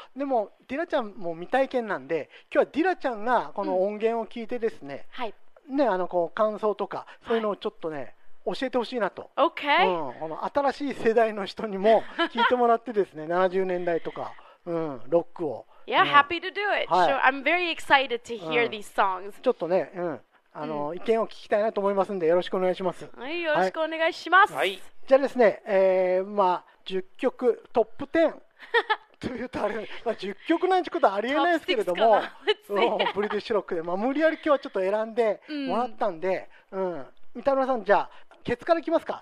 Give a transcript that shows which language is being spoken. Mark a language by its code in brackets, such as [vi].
[ja] でもディラちゃんも未体験なんで、今日はディラちゃんがこの音源を聞いてですね、うん、はい、ね、こう感想とかそういうのをちょっとね、はい、教えてほしいなと。 [en] OK、 [ja] うん、この新しい世代の人にも聞いてもらってですね70年代とか、うん、ロックを。 [en] Yeah,、 [ja] うん、 [en] happy to do it、はい、sure. I'm very excited to hear these songs、 [ja] うん、ちょっとね、うん、うん、意見を聞きたいなと思いますんで、よろしくお願いします。はい、よろしくお願いします。はい、じゃあですね、まあ、10曲トップ10というとあれ、まあ、10曲なんてことはありえないですけれども、ブリティッシュロックで、まあ、無理やり今日はちょっと選んでもらったんで、うんうん、三田村さん、じゃあケツからいきますか。